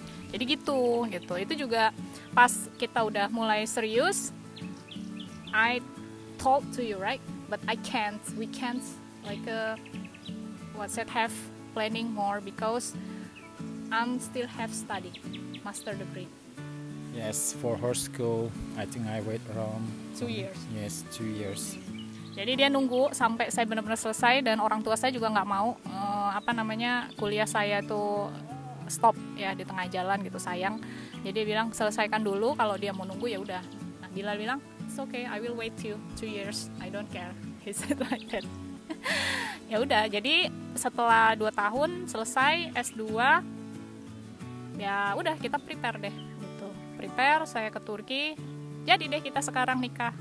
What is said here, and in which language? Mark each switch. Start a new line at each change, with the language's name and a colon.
Indonesian: Jadi gitu. Itu juga pas kita udah mulai serius,
English: I talk to you, right? But I can't. We can't like have planning more because I'm still have study, master degree. Yes, for her school, I think I wait around 2 years. Yes, 2 years.
Indonesian: Jadi dia nunggu sampai saya benar-benar selesai dan orang tua saya juga nggak mau kuliah saya tuh stop ya di tengah jalan gitu, sayang. Jadi dia bilang selesaikan dulu, kalau dia mau nunggu ya udah. Nah, Bilal bilang
English: it's okay, I will wait you 2 years, I don't care. He said like that.
Indonesian: Ya udah, jadi setelah 2 tahun selesai S2, ya udah kita prepare deh gitu. Prepare saya ke Turki. Jadi deh kita sekarang nikah.